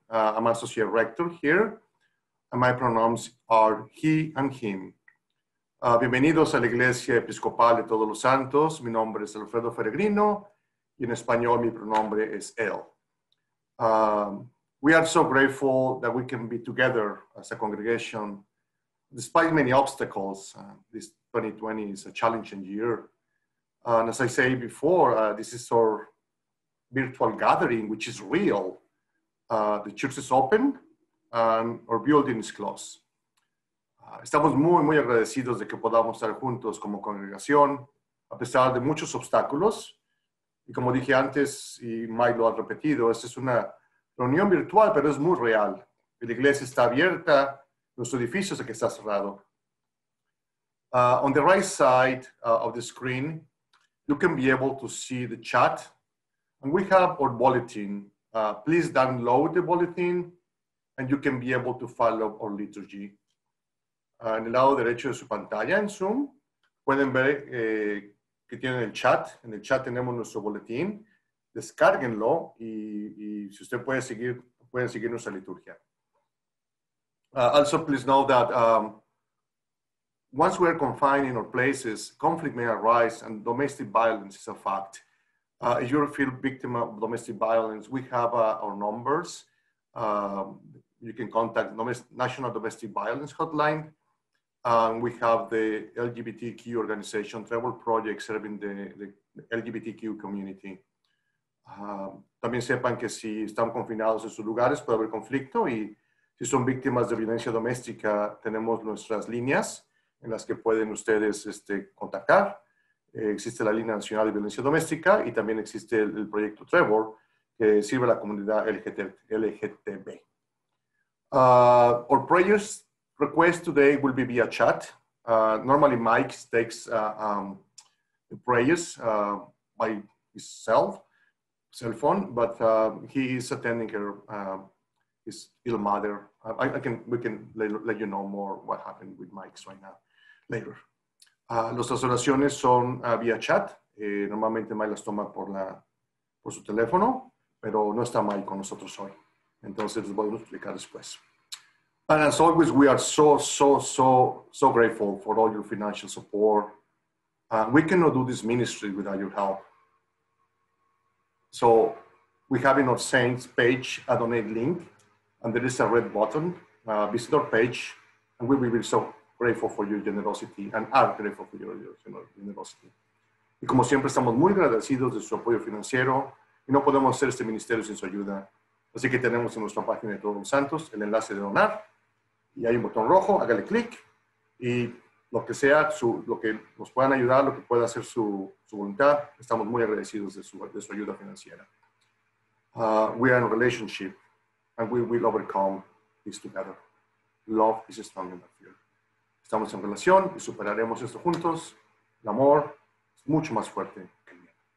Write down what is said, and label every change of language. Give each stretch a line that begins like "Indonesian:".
English: I'm associate rector here, and my pronouns are he and him.
Spanish: Bienvenidos a la Iglesia Episcopal de Todos los Santos. Mi nombre es Alfredo Feregrino. In español, mi pronombre es él.
English: We are so grateful that we can be together as a congregation despite many obstacles, this 2020 is a challenging year. And as I say before, this is our virtual gathering, which is real. The church is open and our building is closed.
Spanish: Estamos muy, muy agradecidos de que podamos estar juntos como congregación, a pesar de muchos obstáculos. Y como dije antes, y Mike lo ha repetido, esta es una reunión virtual, pero es muy real. La iglesia está abierta, nuestro edificio es el que está cerrado.
English: On the right side of the screen, you can be able to see the chat. And we have our bulletin. Please download the bulletin and you can be able to follow our liturgy.
Spanish: En el lado derecho de su pantalla en Zoom, pueden ver que tienen el chat. En el chat tenemos nuestro boletín. Descárguenlo y si usted puede seguir, pueden seguir nuestra liturgia.
English: Also, please know that once we are confined in our places, conflict may arise and domestic violence is a fact. If you feel victim of domestic violence, we have our numbers. You can contact National Domestic Violence Hotline. We have the LGBTQ organization, Travel Project, serving the LGBTQ community.
Spanish: También sepan que si están confinados en sus lugares, puede haber conflicto. Y si son víctimas de violencia doméstica, tenemos nuestras líneas en las que pueden ustedes contactar. Existe la línea nacional de violencia doméstica y también existe el proyecto Trevor, que sirve a la comunidad LGTB.
English: Our prayers request today will be via chat. Normally Mike takes the prayers by his cell phone, but he is attending her, his ill mother. We can let you know more what happened with Mike's right now, later.
Spanish: Nuestras oraciones son vía chat. Normalmente Mike las toma por su teléfono, pero no está Mike con nosotros hoy. Entonces les voy a explicar después.
English: And as always, we are so grateful for all your financial support. We cannot do this ministry without your help. So we have in our Saints page a donate link, and there is a red button. Visit our page, and we will be so grateful for your generosity and are grateful for your generosity.
Spanish: Y como siempre, estamos muy agradecidos de su apoyo financiero y no podemos hacer este ministerio sin su ayuda. Así que tenemos en nuestra página de Todos los Santos el enlace de donar y hay un botón rojo, hágale clic y lo que sea, lo que nos puedan ayudar, lo que pueda hacer su voluntad, estamos muy agradecidos de su ayuda financiera.
English: We are in a relationship and we will overcome this together. Love is stronger than fear.
Spanish: Estamos en relación y superaremos esto juntos. El amor es mucho más fuerte que el miedo.